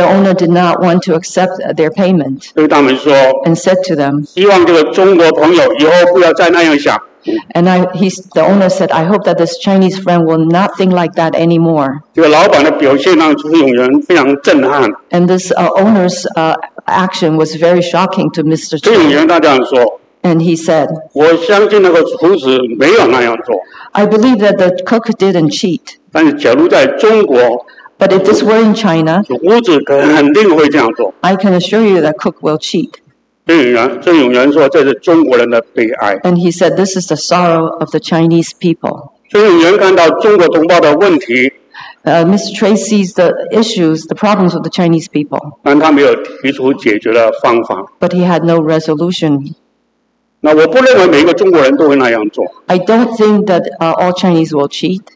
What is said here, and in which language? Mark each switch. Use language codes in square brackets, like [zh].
[en] owner did not want to accept their payment. [zh] 对他们说。 [en] And said to them, [zh] 希望这个中国朋友以后不要再那样想。 [en] And the owner said, I hope that this Chinese friend will not think like that anymore. [zh] 这个老板的表现让朱永仁非常震撼。 [en] And this owner's action was very shocking to Mr. Chen. [zh] 朱永仁他这样说。 [en] And he said, [zh] 我相信那个厨子没有那样做。 [en] I believe that the cook didn't cheat. [zh] 但是假如在中国, [en] but if this were in China, [zh] 厨子肯定会这样做。 [en] I can assure you that cook will cheat. [zh] 郑永元说：“这是中国人的悲哀。” [en] And he said, "This is the sorrow of the Chinese people." [zh] 郑永元看到中国同胞的问题。 [en] Mr. Choi sees the issues, the problems of the Chinese people. [zh] 但他没有提出解决的方法。 [en] But he had no resolution. [zh] 那我不认为每一个中国人都会那样做。 [en] I don't think that all Chinese will cheat.